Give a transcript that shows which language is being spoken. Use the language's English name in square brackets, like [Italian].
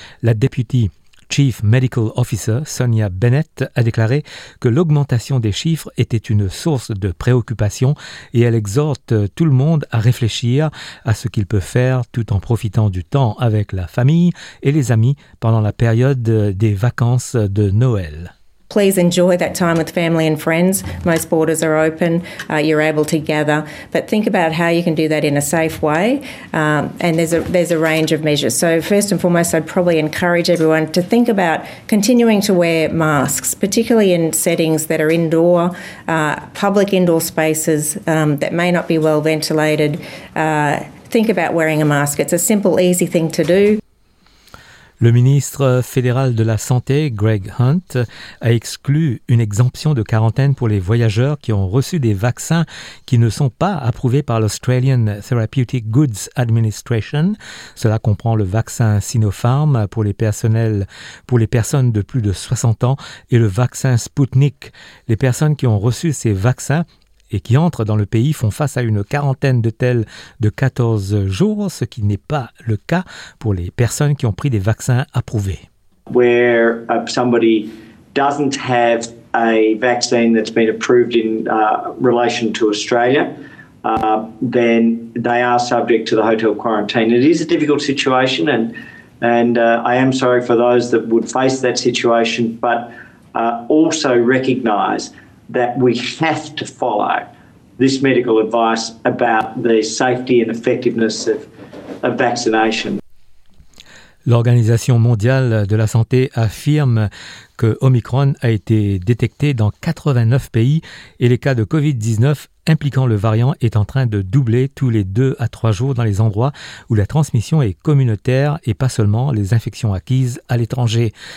[French] La députée Chief Medical Officer Sonia Bennett a déclaré que l'augmentation des chiffres était une source de préoccupation et elle exhorte tout le monde à réfléchir à ce qu'il peut faire tout en profitant du temps avec la famille et les amis pendant la période des vacances de Noël. [English] Please enjoy that time with family and friends. Most borders are open. You're able to gather. But think about how you can do that in a safe way. And there's a range of measures. So first and foremost, I'd probably encourage everyone to think about continuing to wear masks, particularly in settings that are indoor, public indoor spaces that may not be well ventilated. Think about wearing a mask. It's a simple, easy thing to do. [French] Le ministre fédéral de la Santé, Greg Hunt, a exclu une exemption de quarantaine pour les voyageurs qui ont reçu des vaccins qui ne sont pas approuvés par l'Australian Therapeutic Goods Administration. Cela comprend le vaccin Sinopharm pour les personnes de plus de 60 ans et le vaccin Sputnik. Les personnes qui ont reçu ces vaccins et qui entrent dans le pays font face à une quarantaine de tels de 14 jours, ce qui n'est pas le cas pour les personnes qui ont pris des vaccins approuvés. [English] Where somebody doesn't have a vaccine that's been approved in relation to Australia, then they are subject to the hotel quarantine. It is a difficult situation and I am sorry for those that would face that situation, but also recognise that we have to follow this medical advice about the safety and effectiveness of vaccination. [French] L'Organisation mondiale de la santé affirme que Omicron a été détecté dans 89 pays et les cas de Covid-19 impliquant le variant est en train de doubler tous les 2 à 3 jours dans les endroits où la transmission est communautaire et pas seulement les infections acquises à l'étranger.